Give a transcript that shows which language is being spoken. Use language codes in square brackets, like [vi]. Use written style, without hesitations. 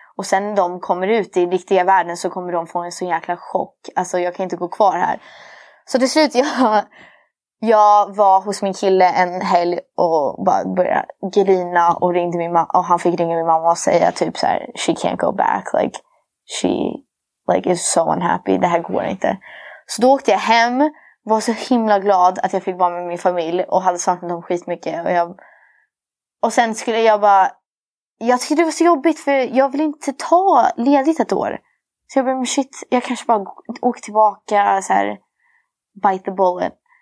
[sv] Och sen när de kommer ut i riktiga världen så kommer de få en sån jäkla chock. Alltså jag kan inte gå kvar här. Så till slut jag var hos min kille en helg och bara började grina och ringde min mamma. Och han fick ringa min mamma och säga typ så här: [en] she can't go back. Like she like is so unhappy. [sv] Det här går inte. Så då åkte jag hem. Var så himla glad att jag fick vara med min familj. Och hade saknat dem skitmycket. Och sen skulle jag bara... Jag tyckte det var så jobbigt för jag vill inte ta ledigt ett år. Så jag bara, shit, jag kanske bara åker tillbaka så här, [en] bite the bullet.